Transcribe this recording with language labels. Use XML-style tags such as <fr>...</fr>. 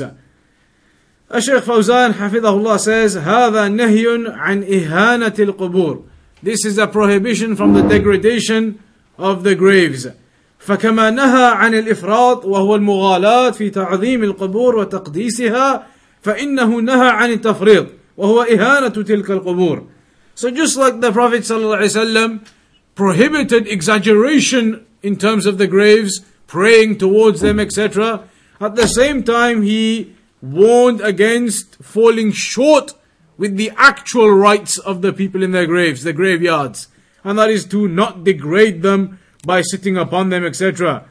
<ar>الشيخ فوزان حفظه الله</ar> <en>says</en> <ar>هذا نهي عن إهانة القبور.</ar> <en>This is a prohibition from the degradation of the graves.</en> <ar>فكما نهى عن الإفراط وهو المغالاة في تعظيم القبور وتقديسها فإنه نهى عن التفريط وهو إهانة تلك القبور.</ar> <en>So just like the Prophet</en> <ar>صلى الله عليه وسلم</ar> <en>prohibited exaggeration in terms of the graves, praying towards them, etc. At the same time, he warned against falling short with the actual rights of the people in their graves, the graveyards, and that is to not degrade them by sitting upon them, etc.</en>